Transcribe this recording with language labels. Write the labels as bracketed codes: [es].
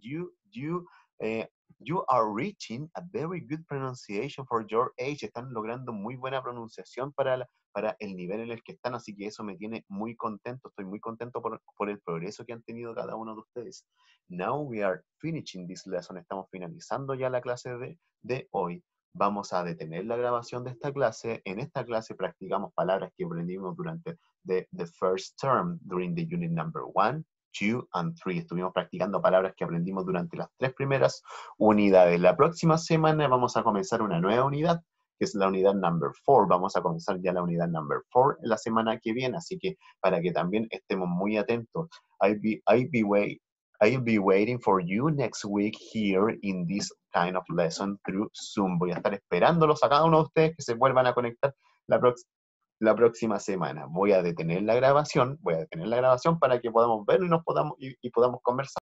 [en] You are reaching a very good pronunciation for your age. [es] Están logrando muy buena pronunciación para el nivel en el que están, así que eso me tiene muy contento. Estoy muy contento por el progreso que han tenido cada uno de ustedes. [en] Now we are finishing this lesson. [es] Estamos finalizando ya la clase de hoy. Vamos a detener la grabación de esta clase. En esta clase practicamos palabras que aprendimos durante [en] the first term, during the unit number 1, 2, and 3. [es] Estuvimos practicando palabras que aprendimos durante las tres primeras unidades. La próxima semana vamos a comenzar una nueva unidad, que es la unidad number 4. Vamos a comenzar ya la unidad number 4 la semana que viene, así que para que también estemos muy atentos. [en] I'll be waiting for you next week here in this kind of lesson through Zoom. [es] Voy a estar esperándolos a cada uno de ustedes que se vuelvan a conectar la próxima semana. Voy a detener la grabación para que podamos vernos y podamos conversar.